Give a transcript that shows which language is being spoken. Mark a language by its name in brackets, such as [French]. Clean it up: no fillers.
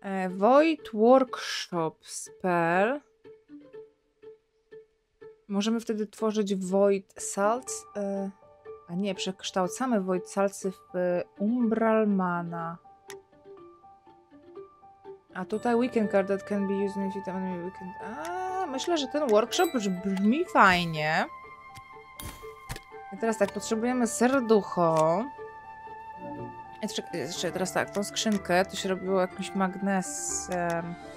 [English] Void Workshop spell. [Polish] Możemy wtedy tworzyć Void Salts, a nie, przekształcamy Void Salcy w Umbralmana. A tutaj [English] Weekend Card that can be used if you don't weekend. [Polish] A, myślę, że ten workshop brzmi fajnie. I teraz tak, potrzebujemy serducho. Jeszcze teraz tak, tą skrzynkę, to się robiło jakimś magnesem.